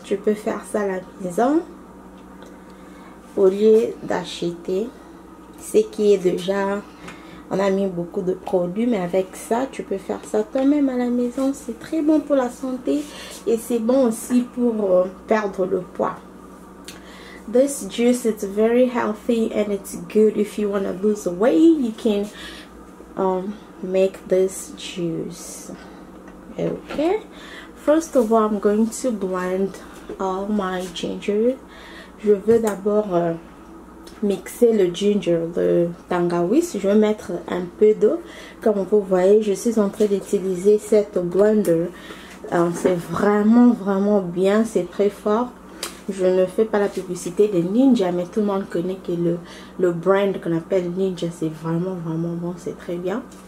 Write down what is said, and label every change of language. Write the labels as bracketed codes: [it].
[fr] Tu peux faire ça à la maison. Au lieu d'acheter ce qui est déjà... On a mis beaucoup de produits, mais avec ça, tu peux faire ça toi-même à la maison. C'est très bon pour la santé et c'est bon aussi pour perdre le poids. [en] This juice is very healthy and it's good if you want to lose weight. You can make this juice. Okay. First of all, I'm going to blend all my ginger. [fr] Je veux d'abord mixer le ginger, le tangawizi. Je vais mettre un peu d'eau. Comme vous voyez, je suis en train d'utiliser cette blender. C'est vraiment, vraiment bien. C'est très fort. Je ne fais pas la publicité de Ninja, mais tout le monde connaît que le brand qu'on appelle Ninja, c'est vraiment, vraiment bon. C'est très bien.